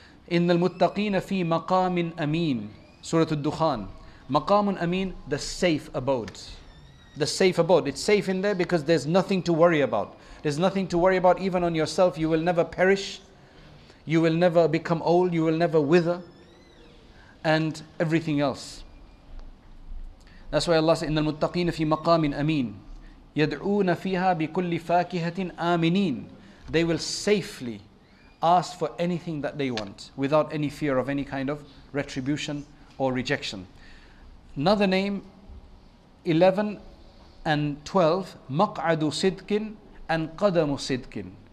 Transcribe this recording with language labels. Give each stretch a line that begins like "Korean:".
Arabic: إِنَّ الْمُتَّقِينَ فِي مَقَامٍ أَمِينٍ. Surah Al-Dukhan.
English: Maqamun Ameen, the safe abode. The safe abode. It's safe in there because there's nothing to worry about. There's nothing to worry about even on yourself. You will never perish. You will never become old. You will never wither. And everything else. That's why Allah said,
Arabic: إِنَّ الْمُتَّقِينَ فِي مَقَامٍ أَمِينٍ. يَدْعُونَ فِيهَا بِكُلِّ فَاكِهَةٍ آمِنِينَ.
English: They will safely ask for anything that they want without any fear of any kind of retribution or rejection. Another name, 11 and 12,
Arabic: مَقْعَدُ صِدْقٍ
English: and
Arabic: قَدَمُ صِدْقٍ.